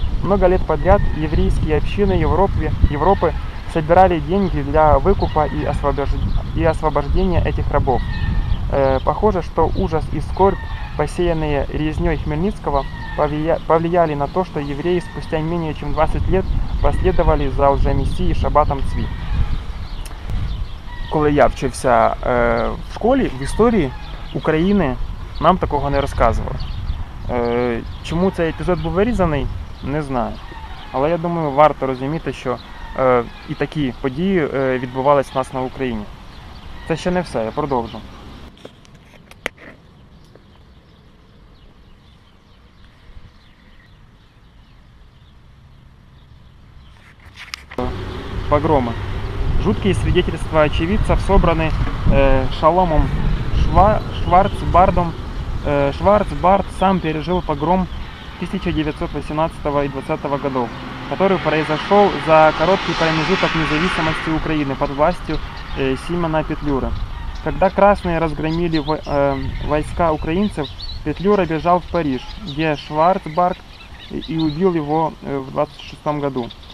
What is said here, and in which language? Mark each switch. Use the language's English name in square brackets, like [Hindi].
[Russian] Много лет подряд еврейские общины Европы собирали деньги для выкупа и освобождения этих рабов. Похоже, что ужас и скорбь, посеянные резнёй Хмельницкого, повлияли на то, что евреи спустя менее чем 20 лет последовали за лжемессией Шабатом Цви. [Ukrainian] Коли я вчився в школі, в історії України, нам такого не розказували. Чому цей епізод був вирізаний, не знаю. Але я думаю, варто розуміти, що і такі події відбувалися в нас на Україні. Це ще не все, я продовжу. Погроми. Жуткі свідчення очевидців зібрані Шаломом Шварцбардом. [Russian] Шварцбард сам пережив погром 1918 и 20 годов, который произошел за короткий промежуток независимости Украины под властью Симона Петлюры. Когда красные разгромили войска украинцев, Петлюра бежал в Париж, где Шварцбард и убил его в 26 году.